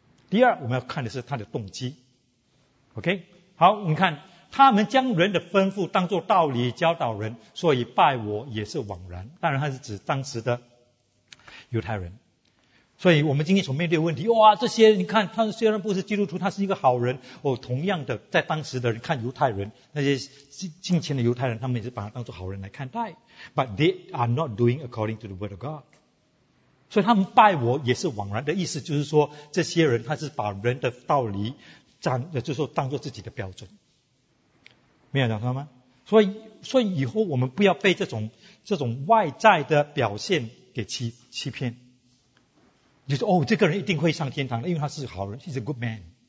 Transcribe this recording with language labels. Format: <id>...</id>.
<zh>第二，我们要看的是他的动机。OK， 好，你看，他们将人的吩咐当作道理教导人，所以拜我也是枉然。当然，他是指当时的犹太人。所以我们今天所面对的问题，哇，这些你看，他虽然不是基督徒，他是一个好人。哦，同样的，在当时的人看犹太人，那些近前的犹太人，他们也是把他当作好人来看待。</zh> <en>But they are not doing according to the word of God。</en> <zh>所以他们拜我也是枉然的意思，就是说这些人他是把人的道理就是说当作自己的标准，没有讲到吗？所以以后我们不要被这种外在的表现给欺骗，就是哦，这个人一定会上天堂，因为他是好人，</zh> <en>he's a good man。</en>